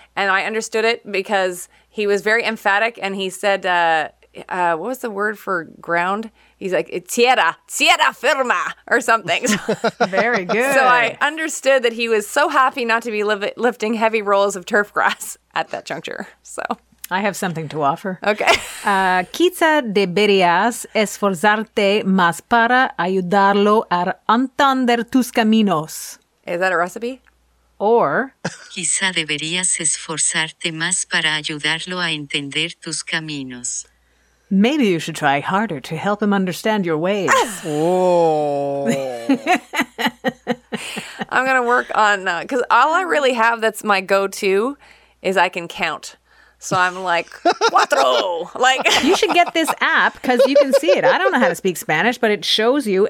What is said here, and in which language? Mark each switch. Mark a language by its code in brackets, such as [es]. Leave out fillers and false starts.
[en] And I understood it because he was very emphatic, and he said... what was the word for ground? He's like, tierra firma or something. Very good. So I understood that he was so happy not to be lifting heavy rolls of turf grass at that juncture. So I have something to offer. Okay. [es] Quizá deberías esforzarte más para ayudarlo a entender tus caminos. [en] Is that a recipe? Or [es] quizá deberías esforzarte más para ayudarlo a entender tus caminos. [en] Maybe you should try harder to help him understand your ways. Whoa. I'm going to work on, because all I really have that's my go-to is I can count. So I'm like, cuatro. Like, you should get this app because you can see it. I don't know how to speak Spanish, but it shows you.